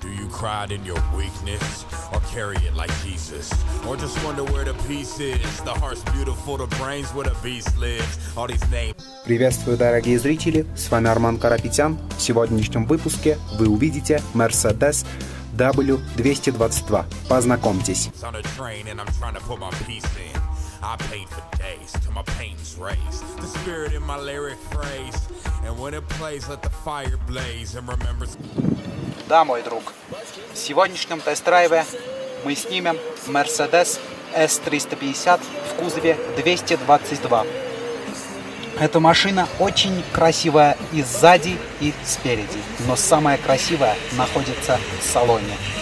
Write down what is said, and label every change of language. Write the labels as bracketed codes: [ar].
[en] cried in your weakness, or carry it like Jesus, or just wonder where the peace is. The heart's beautiful, the brain's where the beast lives. All these names. [ru] Приветствую, дорогие зрители, с вами Арман Карапетян. В сегодняшнем выпуске вы увидите Mercedes W222. Познакомьтесь. [en] On a train and I'm trying to put my peace in. I paint for days till my pain's raised. The spirit in my lyric phrase. And when it plays, let the fire blaze and remember. [ru] Да, мой друг. В сегодняшнем тест-драйве мы снимем Mercedes S350 в кузове 222. Эта машина очень красивая и сзади, и спереди. Но самая красивая находится в салоне.